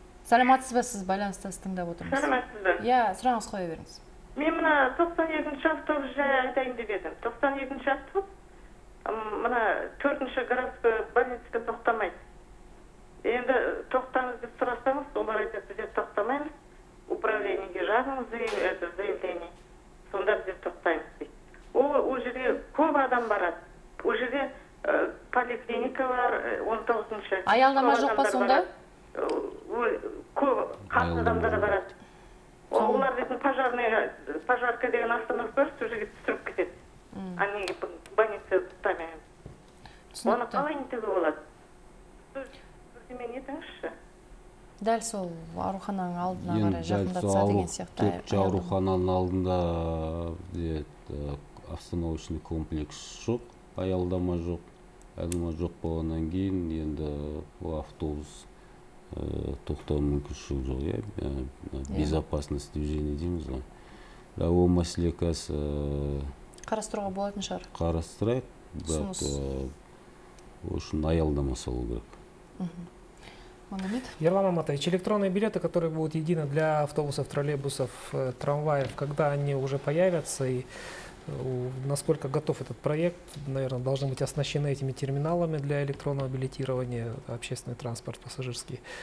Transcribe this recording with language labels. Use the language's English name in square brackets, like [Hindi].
[Kazakh] Саламатсыз ба, сіз байланыста тыңдап отырмыз. Саламатсыз ба. Иә, сұрағыңыз қоя беріңіз. Мен мына 97-ші автобус жайы айтайын деп едім. 97-ші автобус мына 4-ші городской больницаға тоқтамайды. Енді тоқтаңыз деп сұрасаңыз, олар айтады, біз тоқтамаймыз. Управлениеге жазыңыз, [Russian] это заявление. [Kazakh] Сонда біз тоқтаймыз. Ол жерге көп адам барады. Ол жерде поликлиника бар, 19-ші. Аялдама жоқ па сонда? Көп қатты адамдар барады. Олар дейтін пожарка деген автобус бар, сол жерге түсіріп кетеді. [Russian] Они больница [Kazakh] тоқтамаймыз. Оны қалай нетуге болады? Бірдемені етіңізші. Дәл сол аурухананың алдына қарай жақындатса деген сияқты. Төрт аурухананың алдында остановочный комплекс жоқ, аялдама жоқ. Аялдама жоқ болғаннан кейін енді ол автобус тоқтау мүмкіншілігі жоқ, иә. Безопасность движения дейміз ғой. Ол мәселе қазір қарастыруға болатын шығар. Қарастырайық, бірақ үшін аялдама салу керек. [Russian] Ерлан Аматович, электронные билеты, которые будут едины для автобусов, троллейбусов, трамваев, когда они уже появятся и насколько готов этот проект, наверное, должны быть оснащены этими терминалами для электронного билетирования, общественный транспорт, пассажирский.